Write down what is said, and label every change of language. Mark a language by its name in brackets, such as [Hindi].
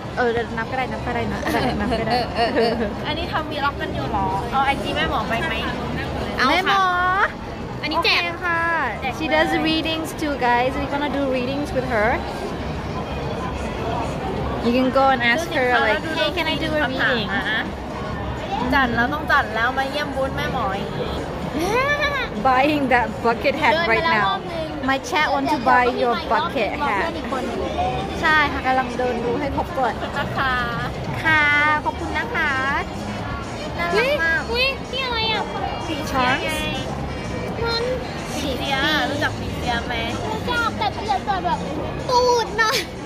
[Thai] เออนับก็ได้นับก็ได้นับก็ได้นับก็ได้อันนี้ทำวีล็อกกันอยู่หรอเอาไอจีแม่หมอไปไหม เอาค่ะแม่หม ออันนี้แจก [English] ค่ะ she does readings too guys we're gonna do readings with herYou can go and ask her like, hey, can I do a reading? [Thai] จัดแล้วต้องจัดแล้วมาเยี่ยมบุญแม่หมออีก [English] Buying that bucket hat right now. My chat want to buy your bucket hat. [Thai] ใช่ค่ะกำลังเดินดูให้ครบก่อน ค่ะ ค่ะขอบคุณนะคะน่ารักมาก อุ้ยนี่อะไรอ่ะ สีช้าง มัน สีเดียรู้จักสีเดียไหม รู้จักแต่เปลี่ยนตัวแบบตูดหน่อย